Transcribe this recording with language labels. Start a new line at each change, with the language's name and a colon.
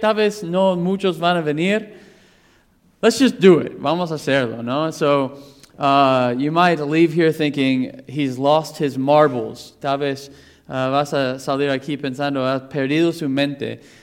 Spanish: Tal vez no muchos van a venir.
English: Let's just do it.
Spanish: Vamos a hacerlo, ¿no?
English: So you might leave here thinking he's lost his marbles.
Spanish: Tal vez vas a salir aquí pensando, ha perdido su mente.